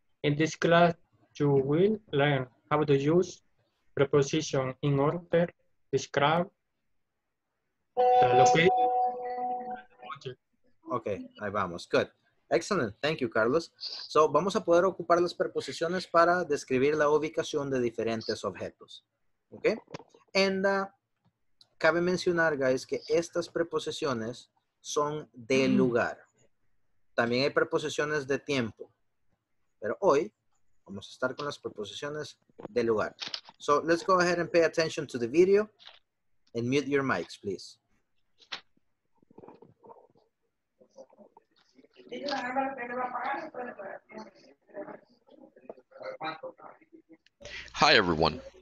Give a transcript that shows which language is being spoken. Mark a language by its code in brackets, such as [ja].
[en] In this class, you will learn how to use preposition in order to describe the location. Okay, [es] ahí vamos. [en] Good. Excellent. Thank you, Carlos. [es] So, vamos a poder ocupar las preposiciones para describir la ubicación de diferentes objetos. Okay? And cabe mencionar, guys, que estas preposiciones son de lugar. También hay preposiciones de tiempo. Pero hoy vamos a estar con las preposiciones de lugar. [en] So, let's go ahead and pay attention to the video and mute your mics, please. Hi everyone.